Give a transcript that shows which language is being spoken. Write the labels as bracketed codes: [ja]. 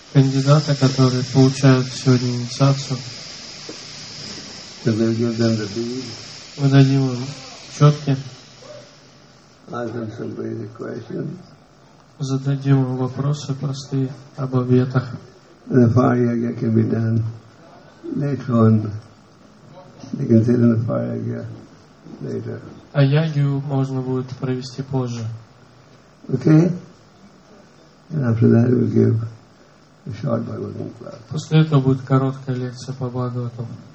[ru] Кандидата, которые получают сегодня инициацию. [en] So we'll give them the [ru] мы дадим им четки. [en] Ask them basic questions. [ru] Зададим им вопросы простые об обетах. [en] The fire yoga can be done later on. You can sit in the fire yoga later. [ru] А ягью можно будет провести позже. [en] Okay. And after that we'll give a short Bhagavatam class. [ru] После этого будет короткая лекция по Бхагаватам.